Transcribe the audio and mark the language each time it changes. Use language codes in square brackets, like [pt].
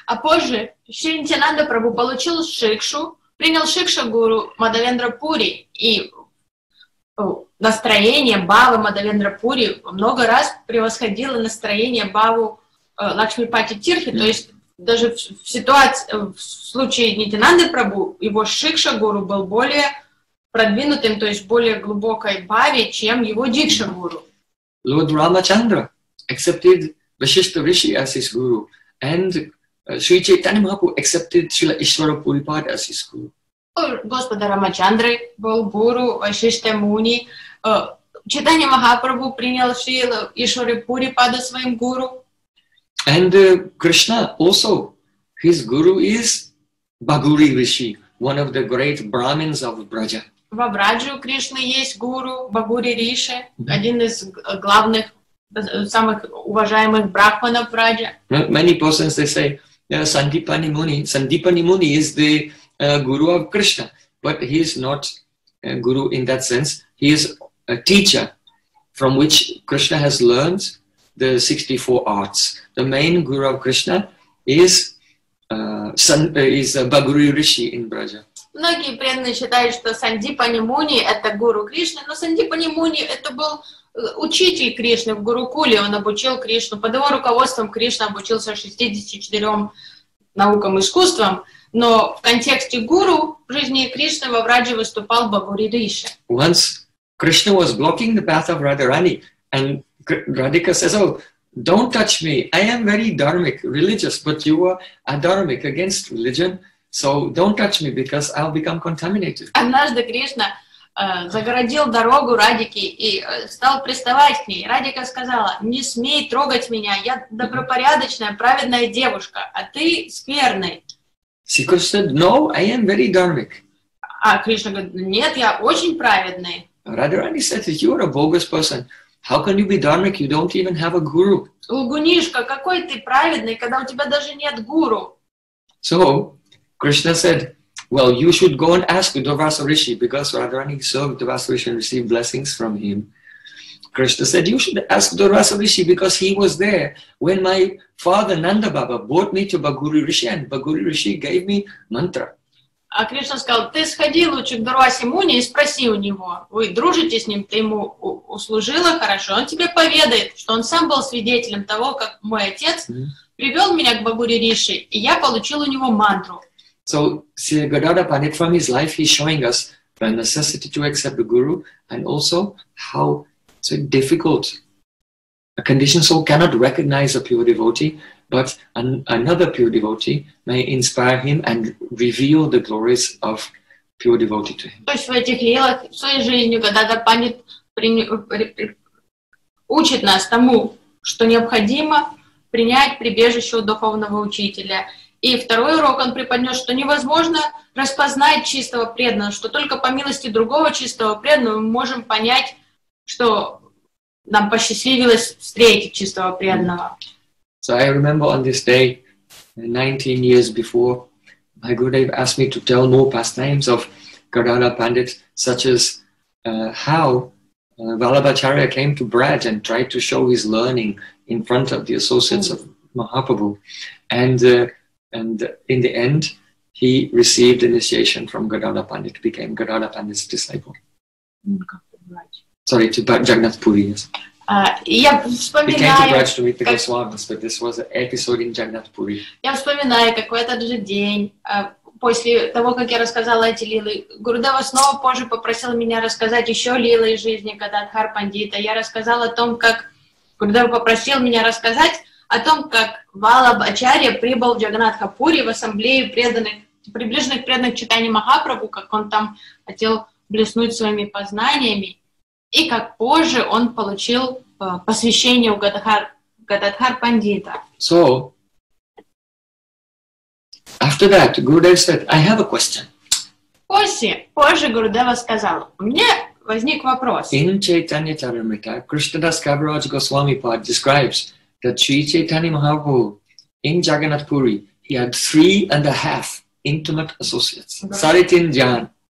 [ru] А позже Шри Нитянанда Прабху получил шикшу, принял шикша гуру Мадхавендра Пури, и настроение бавы Мадхавендра Пури много раз превосходило настроение баву Лакшмипати Тирхи. Mm-hmm. То есть даже в случае Нитянанды Прабху его шикша гуру был более продвинутым, то есть более глубокой баве, чем его дикша гуру. [en] Lord Ramachandra accepted Vasishtha Rishi as his guru, and Sri Chaitanya Mahaprabhu accepted Srila Ishvara Puripada as his guru. [ru] Господа Рамачандры был гуру Вашиште Муни. Chaitanya Mahaprabhu принял Шрилу Ишварипури пада своим гуру. [en] And Krishna also, his guru is Bhaguri Rishi, one of the great Brahmins of Braja. [ru] Во Браджу у Кришны есть гуру Бхагури Риши, один из главных, самых уважаемых брахманов Браджа. [en] Many persons they say, Sandipani Muni is the guru of Krishna, but he is not a guru in that sense. He is a teacher from which Krishna has learned the 64 arts. The main guru of Krishna is Bhaguri Rishi in Braja. [ru] Многие преданные считают, что Сандипани Муни – это гуру Кришны, но Сандипани Муни – это был учитель Кришны в Гурукуле, он обучил Кришну. Под его руководством Кришна обучился 64 наукам и искусствам, но в контексте гуру в жизни Кришны во Врадже выступал Бхагури Риши. [en] Once Krishna was blocking the path of Radharani, and Radhika says, oh, don't touch me, I am very dharmic, religious, but you are adharmic against religion. So don't touch me because I'll become contaminated. [ru] Однажды Кришна загородил дорогу Радике и стал приставать к ней. Радика сказала: "Не смей трогать меня, я добропорядочная, праведная девушка, а ты скверный." [en] She said, "No, I am very dharmic." [ru] А Кришна говорит: "Нет, я очень праведный." [en] Radharani said, "You are a bogus person. How can you be dharmic? You don't even have a guru." [ru] Лгунишка, какой ты праведный, когда у тебя даже нет гуру? [en] So Krishna said, well, you should go and ask Durvasa Rishi, because Radharani served Durvasa Rishi and received blessings from him. Krishna said, you should ask Durvasa Rishi, because he was there when my father Nanda Baba brought me to Bhaguri Rishi, and Bhaguri Rishi gave me mantra. [ru] А Кришна сказал, ты сходи лучше к Дурвасе Муни и спроси у него. Вы дружите с ним, ты ему услужила хорошо. Он тебе поведает, что он сам был свидетелем того, как мой отец привел меня к Бхагури Риши, и я получил у него мантру. [en] So, Srila Gadadhara Pandit, from his life, he's showing us the necessity to accept the Guru and also how so difficult a conditioned soul cannot recognize a pure devotee, but another pure devotee may inspire him and reveal the glories of pure devotee to him. [ru] То есть в этих лилах, в своей жизни, Гададхара Пандит учит нас тому, что необходимо принять прибежище у духовного учителя. И второй урок он преподнёс, что невозможно распознать чистого преданного, что только по милости другого чистого преданного мы можем понять, что нам посчастливилось встретить чистого преданного. [en] So I remember on this day, 19 years before, my Gurudev asked me to tell more pastimes of Gadadhara Pandit, such as how Vallabhacharya came to Braj and tried to show his learning in front of the associates of Mahaprabhu. And in the end, he received initiation from Gadadhara Pandit, became Gadadhara Pandit's disciple. Sorry, to Jagannath Puri, yes. He came to Braj to meet the Goswamis, but this was an episode in Jagannath Puri. [ru] Я вспоминаю, как в этот же день, после того, как я рассказала эти лилы, Гурудева снова позже попросил меня рассказать еще лилы из жизни Гададхар Пандита. Я рассказала о том, как Гурудева попросил меня рассказать о том, как Валабхачарья прибыл в Джаганатхапури в ассамблею преданных, приближенных преданных Чайтаньи Махапрабху, как он там хотел блеснуть своими познаниями, и как позже он получил посвящение у Гададхар Пандита. [en] So, after that, Gurudev said, I have a question. [ru] Позже Гурудева сказал, мне возник вопрос. [en] In Chaitanya Charamrita, Krishnadas Kaviraj Goswami Pad describes that Sri Chaitanya Mahaprabhu in Jagannath Puri, he had 3.5 intimate associates. Saritin Jan.